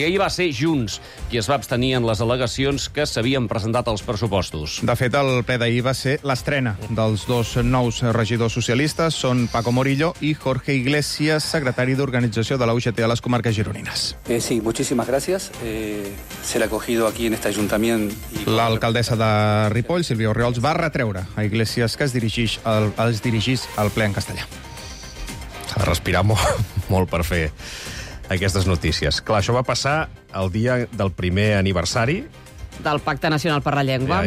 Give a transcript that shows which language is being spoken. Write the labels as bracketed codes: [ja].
[ca] I ahir va ser Junts qui es va abstenir en les al·legacions que s'havien presentat als pressupostos. De fet, el ple d'ahir va ser l'estrena dels dos nous regidors socialistes. Són Paco Morillo i Jorge Iglesias, secretari d'organització de la UGT a les comarques gironines. Sí, moltíssimes gràcies. [es] Ser acogido aquí en este ayuntamiento. [ca] L'alcaldessa de Ripoll, Sílvia Orriols, va retreure a Iglesias que es dirigís al ple en castellà. S'ha de respirar molt per fer aquestes notícies. Clar, això va passar el dia del primer aniversari del Pacte Nacional per la Llengua.